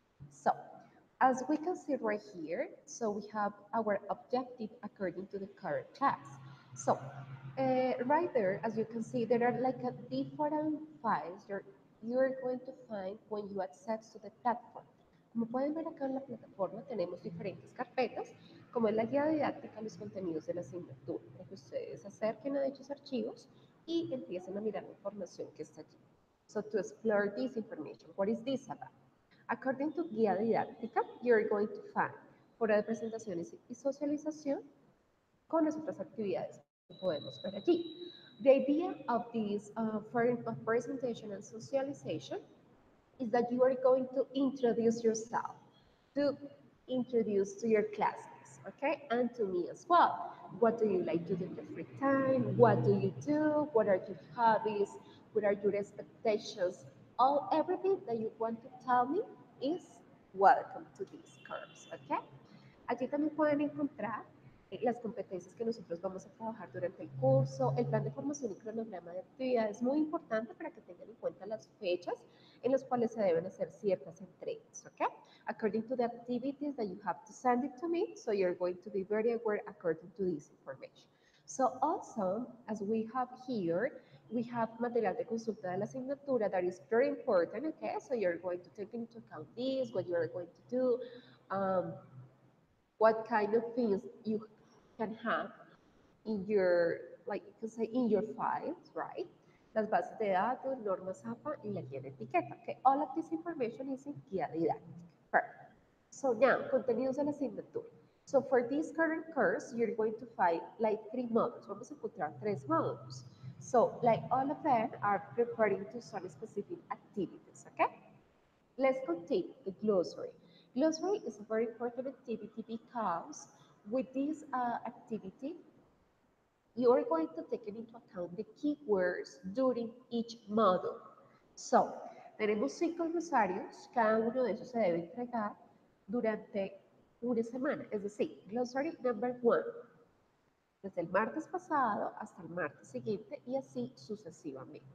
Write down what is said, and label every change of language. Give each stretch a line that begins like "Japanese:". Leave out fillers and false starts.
English: So as we can see right here, so we have our objective according to the current class. So right there, as you can see, there are like a different files you are going to find when you access to the platform.
Spanish: Como pueden ver acá en la plataforma, tenemos diferentes carpetas, como es la guía didáctica, los contenidos de la asignatura, para que ustedes acerquen a dichos archivos y empiecen a mirar la información que está allí.
English: So to explore this information, what is this about? According to
Spanish: guía didáctica,
English: you are going to find
Spanish: fuera de presentaciones y socialización con las otras actividades que podemos ver allí.
English: The idea of this form of presentation and socialization is that you are going to introduce yourself, to introduce to your classmates, okay, and to me as well. What do you like to do in your free time? What do you do? What are your hobbies? What are your expectations? All, everything that you want to tell me is welcome to these curves, okay?
Spanish: Allí también pueden encontrar las competencias que nosotros vamos a trabajar durante el curso, el plan de formación y cronograma de actividades. Es muy importante para que tengan en cuenta las fechas en las cuales se deben hacer ciertas entregas, okay?
English: According to the activities that you have to send it to me, so you're going to be very aware according to this information. So also, as we have here, we have
Spanish: material de consulta de la asignatura
English: that is very important, okay? So you're going to take into account this, what you are going to do, what kind of things you can have in your, like you can say, in your files, right?
Spanish: Las bases de datos, normas APA, y la guía de etiqueta.
English: Okay, all of this information is in guía didáctica. Perfect. So now,
Spanish: contenidos de la asignatura.
English: So for this current course, you're going to find like 3 modules.
Spanish: Vamos a encontrar
English: 3 modules. So like all of them are referring to some specific activities, okay? Let's continue the glossary. Glossary is a very important activity because with this activity, you are going to take into account the keywords during each module.
Spanish: So, tenemos 5 glosarios, cada uno de esos se debe entregar durante una semana. Es decir, glossary number 1, desde el martes pasado hasta el martes siguiente y así sucesivamente.